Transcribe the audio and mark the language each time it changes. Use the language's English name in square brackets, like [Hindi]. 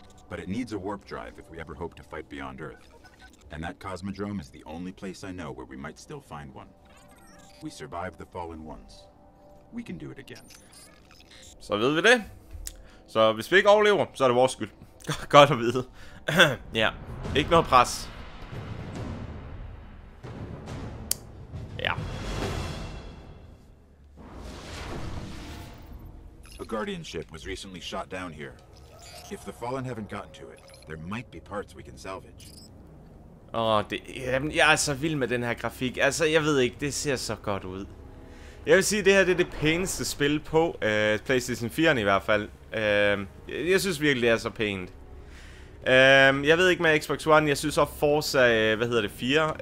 [English] But it needs a warp drive if we ever hope to fight beyond Earth. And that cosmodrome is the only place I know where we might still find one. We survived the fallen once. We can do it again. [Danish] Så ved vi det. Så hvis vi ikke overlever, så er det vores skyld. Godt at vide. Ja, ikke noget pres. Ja. [English] A guardian ship was recently shot down here. If the fallen haven't gotten to it, there might be parts we can salvage. [Danish] Jamen, jeg er så vild med den her grafik. Altså, jeg ved ikke, det ser så godt ud. Jeg vil sige, det her det er det pæneste spil på PlayStation 4 i hvert fald. Jeg synes virkelig, det er så pænt. Jeg ved ikke med Xbox One, jeg synes også Forza, 4?